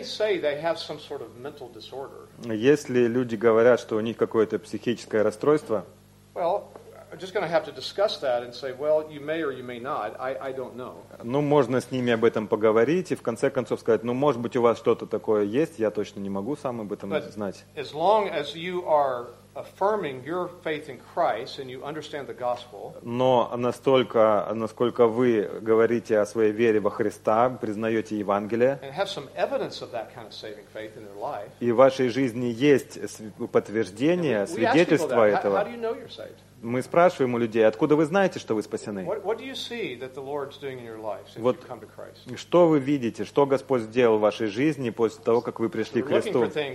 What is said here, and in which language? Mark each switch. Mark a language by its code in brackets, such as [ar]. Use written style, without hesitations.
[ru] Если люди говорят, что у них какое-то психическое расстройство, [en] well, I'm just going to have to discuss that and say, well, you may or you may not. I don't know. [ru] Ну, можно с ними об этом поговорить и в конце концов сказать, ну, может быть, у вас что-то такое есть, я точно не могу сам об этом знать. [en] As long as you are affirming your faith in Christ and you understand the gospel. [ru] Но настолько, насколько вы говорите о своей вере во Христа, признаете Евангелие. [en] And have some evidence of that kind of saving faith in their life. [ru] И в вашей жизни есть подтверждение, свидетельство этого. [en] How do you know you're saved? [ru] Мы спрашиваем у людей, откуда вы знаете, что вы спасены? Вот что вы видите, что Господь сделал в вашей жизни после того, как вы пришли к Христу?